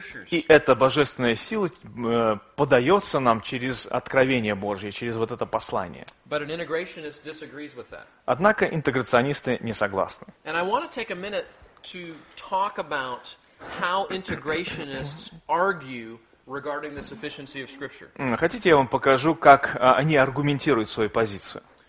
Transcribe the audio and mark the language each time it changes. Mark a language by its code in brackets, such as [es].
[ru] И эта божественная сила подается нам через откровение Божье, через вот это послание. [en] But an integrationist disagrees with that. [ru] Однако интеграционисты не согласны. [en] And I want to take a minute to talk about how integrationists argue regarding the sufficiency of Scripture. [ru] Хотите, я вам покажу, как они аргументируют свою позицию?